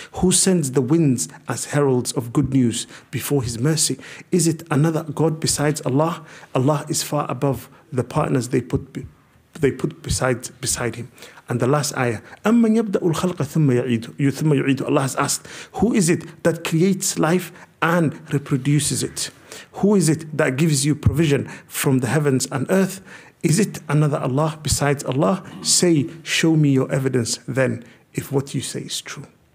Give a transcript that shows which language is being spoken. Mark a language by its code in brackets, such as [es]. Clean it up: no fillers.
[en] Who sends the winds as heralds of good news before his mercy? Is it another God besides Allah? Allah is far above the partners they put beside him. And the last ayah, [ar] أَمَّنْ يَبْدَأُ الْخَلْقَ ثُمَّ يُعِيدُ. [en] Allah has asked, who is it that creates life and reproduces it? Who is it that gives you provision from the heavens and earth? Is it another Allah besides Allah? Say, show me your evidence then if what you say is true.